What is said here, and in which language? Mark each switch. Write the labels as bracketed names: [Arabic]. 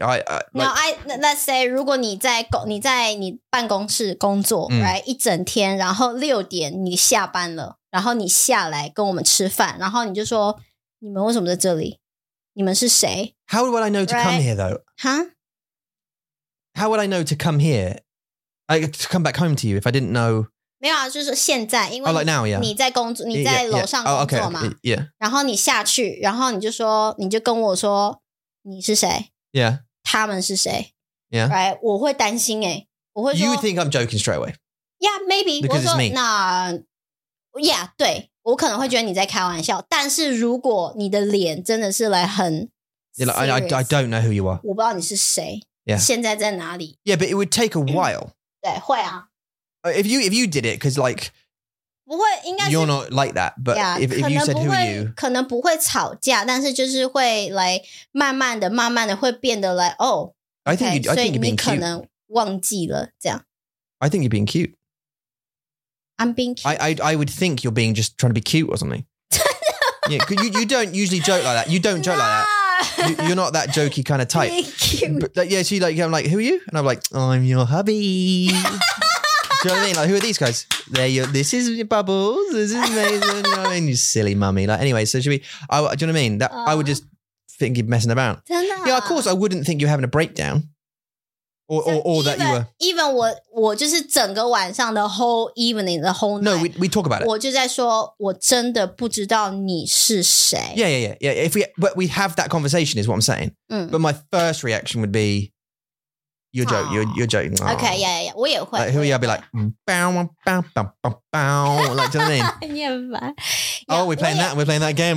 [English] Let's say, [Chinese] 如果你在办公室工作, right, 一整天, 然后6点你下班了, 然后你下来跟我们吃饭, 然后你就说, 你们为什么在这里?你们是谁? [English] How would I know to come here, though? Huh? How would I know to come here? I could come back home to you if I didn't know. [Chinese] 没有啊,就是现在, 因为 [English] oh, like now, yeah. [Chinese] 你在工作, 你在楼上工作嘛, [English] yeah, yeah. Oh, okay. Yeah. [Chinese] 然后你下去, 然后你就说, 你就跟我说, 你是谁? [English] Yeah. [Chinese] 他们是谁? [English] Yeah. [Chinese] Right? 我会担心耶, 我会说, [English] you would think I'm joking straight away. Yeah, maybe. Because [Chinese] 我说, [English] it's me. [Chinese] Nah, yeah, 对, 我可能会觉得你在开玩笑, 但是如果你的脸真的是来很, [English] yeah, like, I don't know who you are. [Chinese] 我不知道你是谁, [English] yeah. [Chinese] 现在在哪里? [English] Yeah, but it would take a while. [Chinese] 对,会啊。 [English] If you did it, because like, [Chinese] 不会,应该是, [English] you're not like that, but yeah, if you said who are you? [Chinese] 可能不会吵架, 但是就是会 like, 慢慢的, 慢慢的会变得 like, oh, okay, [English] I think you, I think you're being cute. [Chinese] 所以你可能忘记了, 这样。 [English] I think you're being cute. I'm being cute. I would think you're being just trying to be cute or something. Yeah, because you don't usually joke like that. You don't joke like that. You're not that jokey kind of type. Being cute. But, yeah, so you're like, I'm like, who are you? And I'm like, I'm your hubby. you know what I mean? Like, who are these guys? They're your, this is your Bubbles. This is Mason. You know what I mean? You silly mummy. Like, anyway, so should we, do you know what I mean? That I would just think you're messing about. Yeah, of course, I wouldn't think you're having a breakdown. Or that you were... Even [Chinese] 我就是整个晚上的 [English] whole evening, the whole night. No, we talk about it. [Chinese] 我就在说我真的不知道你是谁。 [English] Yeah, yeah, yeah. If we, but we have that conversation is what I'm saying. Mm. But my first reaction would be, you're joking, you're joking. Oh. Okay, yeah, yeah, [Chinese] 我也会。 [English] Like, who are you? I'd be like, bow, bow, bow, bow, bow, bow. Like, do you know what I mean? [Chinese] 你也烦。 [English] Oh, we're playing that, we're playing that game.